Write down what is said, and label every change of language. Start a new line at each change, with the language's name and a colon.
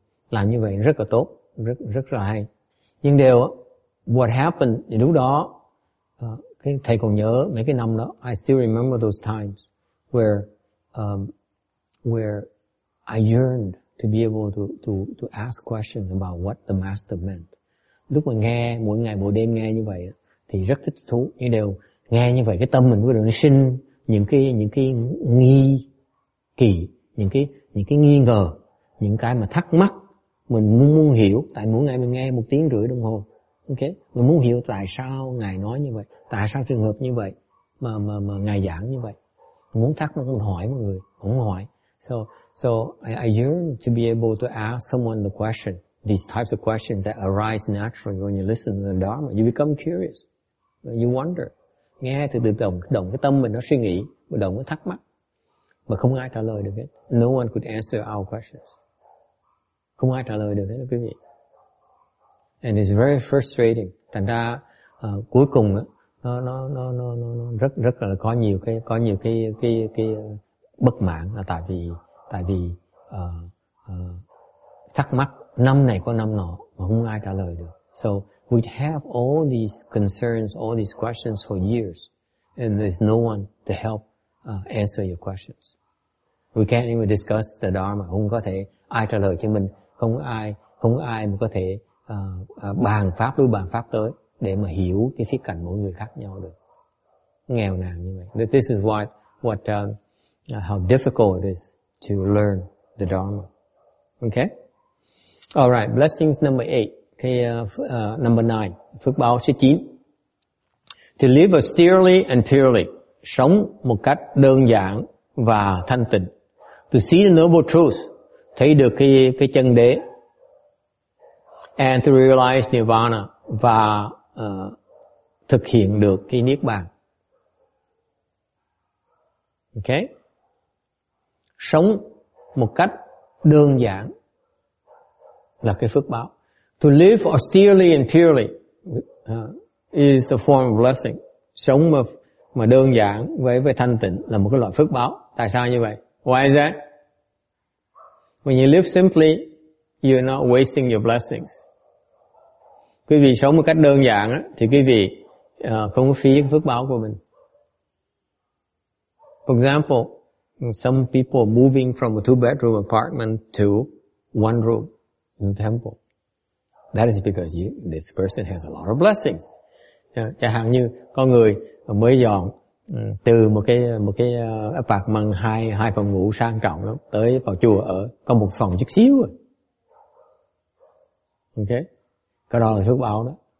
Vietnamese: Làm như vậy rất là tốt, rất là hay. Nhưng điều
English: what happened
Vietnamese: thì lúc đó thầy còn nhớ mấy cái năm đó.
English: I still remember those times where I yearned to be able to ask questions about what the master meant.
Vietnamese: Lúc mà nghe mỗi ngày mỗi đêm nghe như vậy thì rất thích thú. Nhưng điều nghe như vậy cái tâm mình bắt đầu nó sinh những cái nghi kỳ, những cái nghi ngờ, những cái mà thắc mắc. Mình muốn hiểu, tại mỗi ngày mình nghe 1.5 tiếng đồng hồ, okay, mình muốn hiểu tại sao ngài nói như vậy, tại sao trường hợp như vậy mà ngài giảng như vậy, mình muốn thắc mắc, muốn hỏi mọi người, không hỏi.
English: So I yearn to be able to ask someone the question, these types of questions that arise naturally when you listen to the Dharma. You become curious, you wonder.
Vietnamese: Nghe thì tự động cái tâm mình nó suy nghĩ, tự động nó thắc mắc, mà không ai trả lời được hết.
English: No one could answer our questions.
Vietnamese: Không ai trả lời được hết, quý vị.
English: And it's very frustrating.
Vietnamese: Thành ra cuối cùng nó rất rất là có nhiều cái bất mãn, là tại vì thắc mắc năm này có năm nọ mà không ai trả lời được.
English: So we have all these concerns, all these questions for years, and there's no one to help answer your questions. We can't even discuss the Dharma.
Vietnamese: Không có thể ai trả lời cho mình, không ai mà có thể bàn pháp đối bàn pháp tới để mà hiểu cái khía cạnh mỗi người khác nhau được. Nghèo nàn như vậy.
English: This is how difficult it is to learn the Dharma. Okay? All right. Blessings number 8. Number 9,
Vietnamese: phước báo số 9.
English: To live austerely and purely,
Vietnamese: sống một cách đơn giản và thanh tịnh.
English: To see the noble truth,
Vietnamese: thấy được cái chân đế.
English: And to realize nirvana,
Vietnamese: và thực hiện được cái niết bàn. Okay? Sống một cách đơn giản là cái phước báo.
English: To live austerely and purely is a form of blessing.
Vietnamese: Sống mà đơn giản với thanh tịnh là một cái loại phước báo. Tại sao như vậy?
English: Why is that? When you live simply, you're not wasting your blessings.
Vietnamese: Quý vị sống một cách đơn giản á, thì quý vị không có phí phước báo của mình.
English: For example, some people are moving from a two-bedroom apartment to one room in the temple. That is because this person has a lot of blessings.
Vietnamese: Chẳng hạn như có người mới dọn từ một cái apartment hai phòng ngủ sang trọng lắm tới vào chùa ở có một phòng chút xíu rồi. Okay, cái đó là phước báo đó.